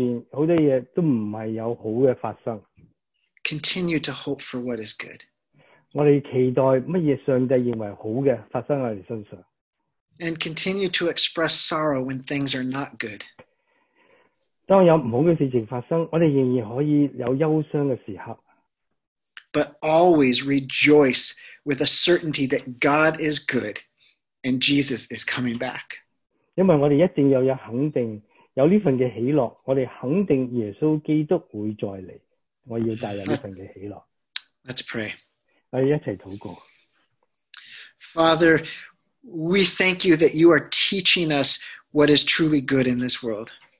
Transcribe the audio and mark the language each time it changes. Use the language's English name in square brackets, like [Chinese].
[Chinese] 所以今天在这个世界里面很多事都不是有好的发生。 [English] Continue to hope for what is good. [Chinese] 我们期待什么上帝认为好的发生在我们身上。 [English] And continue to express sorrow when things are not good. [Chinese] 当有不好的事情发生, 我们仍然可以有忧伤的时刻。 [English] But always rejoice with a certainty that God is good and Jesus is coming back. [Chinese] 因为我们一定要有肯定, 有这份的喜乐, 我们肯定耶稣基督会再来, 我要带来这份的喜乐。 [English] Let's pray. [Chinese] 我们一起祷告。 [English] Father, we thank you that you are teaching us what is truly good in this world.